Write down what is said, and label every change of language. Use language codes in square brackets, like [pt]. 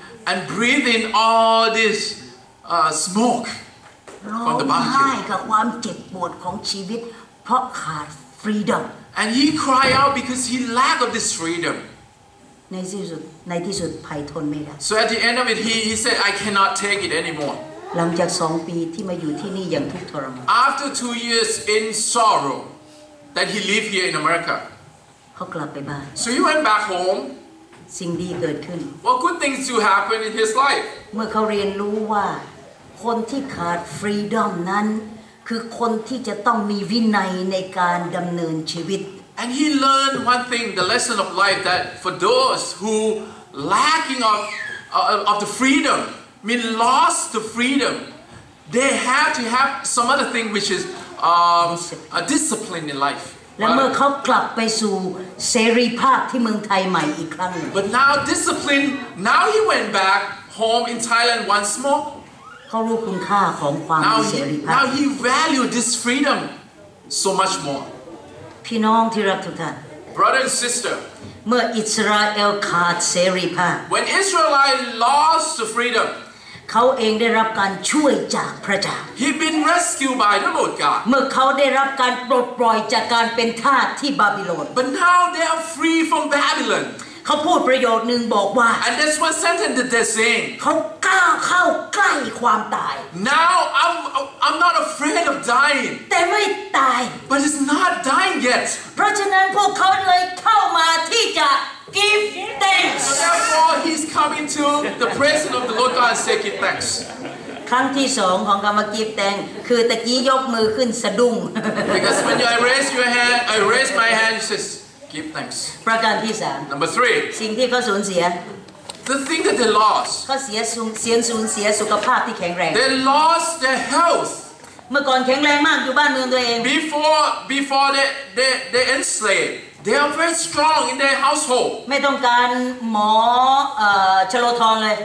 [en] And breathe in all this smoke from the barbecue. [th] ร้องไห้กับความเจ็บปวดของชีวิตเพราะขาด freedom [en] and he cry out because he lack of this freedom [th] ในที่สุดไผ่ทนไม่ได้ [en] so at the end of it he said I cannot take it anymore [th] หลังจาก2ปีที่มาอยู่ที่นี่อย่างทุกทรมาน [en] after 2 years in sorrow that he live here in America [th] เขากลับไปบ้าน [en] so he went back home [th] สิ่งดีเกิดขึ้น [en] what good things do happen in his life [th] เมื่อเขาเรียนรู้ว่าคนที่ขาด freedom นั้นคือคนที่จะต้องมีวินัยในการดำเนินชีวิต [en] And he learned one thing, the lesson of life that for those who lacking of the freedom, mean lost the freedom, they have to have some other thing which is a discipline in life. [th] แล้วเมื่อเขากลับไปสู่เสรีภาพที่เมืองไทยใหม่อีกครั้ง [en] But now discipline, now he went back home in Thailand once more. [th] เขารู้คุณค่าของความเสรีภาพ [en] Now he valued this freedom so much more. [th] พี่น้องที่รักทุกท่าน [en] Brother and sister, [th] เมื่ออิสราเอลขาดเสรีภาพ [en] When Israelite lost the freedom. [th] เขาเองได้รับการช่วยจากพระเจ้า [en] He'd been rescued by the Lord God [th] เมื่อเขาได้รับการปลดปล่อยจากการเป็นทาสที่บาบิโลน [en] But now they are free from Babylon [th] เขาพูดประโยคนึงบอกว่า [en] And that's what sentence that they're saying [th] เขากล้าเข้าใกล้ความตาย [en] Now I'm not afraid of dying [th] แต่ไม่ตาย [en] But it's not dying yet [th] เพราะฉะนั้นพวกเขาเลยเข้ามาที่จะ [en] Give thanks. So therefore, he's coming to the presence of the Lord God and say, "Give thanks." [th] ครั้งที่สองของการมา [en] give thanks [th] คือตะกี้ยกมือขึ้นสะดุ้ง [en] Because when I raise your hand, I raise my hand, he says, "Give thanks." [th] ประการที่สาม [en] Number three. [th] สิ่งที่เขาสูญเสีย [en] The thing that they lost. [th] เขาสูญเสียสุขภาพที่แข็งแรง [en] They lost their health. [th] เมื่อก่อนแข็งแรงมากอยู่บ้านเมืองตัวเอง [en] Before they enslaved. They are very strong in their household. [th] ไม่ต้องการหมอชโลทอนเลย